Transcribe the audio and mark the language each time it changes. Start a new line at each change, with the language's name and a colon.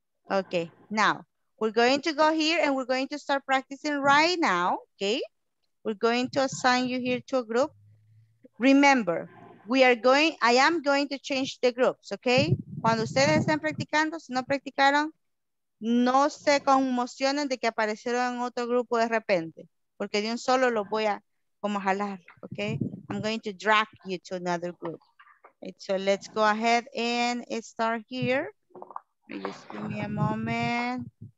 English: Okay, now, we're going to go here and we're going to start practicing right now, okay? We're going to assign you here to a group. Remember, I am going to change the groups, okay?
Spanish: Cuando ustedes estén practicando, si no practicaron, no se conmocionen de que aparecieron en otro grupo de repente, porque de un solo lo voy a como jalar, okay?
English: I'm going to drag you to another group. Right, so let's go ahead and start here. Just give me a moment.